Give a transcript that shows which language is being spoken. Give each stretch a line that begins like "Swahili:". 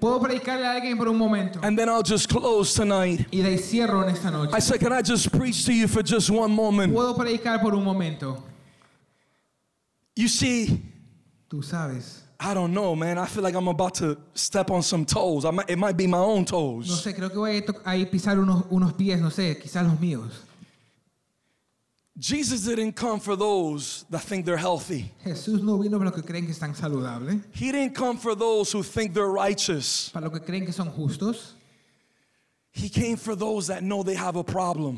Spanish: ¿Puedo predicarle a alguien por un momento?
English: And then I'll just close tonight.
Spanish: Y de ahí cierro en esta noche.
English: I said, can I just preach to you for just one moment?
Spanish: ¿Puedo predicar por un momento?
English: You see,
Spanish: tú sabes,
English: I don't know, man. I feel like I'm about to step on some toes. It might be my own toes.
Spanish: No sé, creo que voy a pisar unos pies, no sé, quizás los míos.
English: Jesus didn't come for those that think they're healthy.
Spanish: Jesús no vino para los que creen que están saludables.
English: He didn't come for those who think they're righteous.
Spanish: Para los que creen que son justos.
English: He came for those that know they have a problem.